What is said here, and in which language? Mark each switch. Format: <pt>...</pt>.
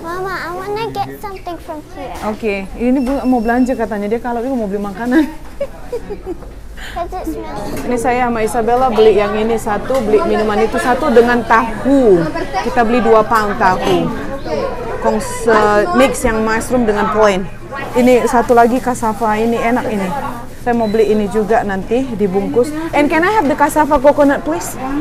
<en>Mama, I wanna get something from here.</en> <id>Oke, okay, ini Bunga mau belanja katanya. Dia kalau itu mau beli makanan. Ini saya sama Isabella beli yang ini satu, beli minuman itu satu dengan tahu. Kita beli 2 pound tahu. Kongse mix yang mushroom dengan poin. Ini satu lagi cassava, ini enak ini. Saya mau beli ini juga nanti dibungkus.</id> <en>And can I have the cassava coconut please?</en>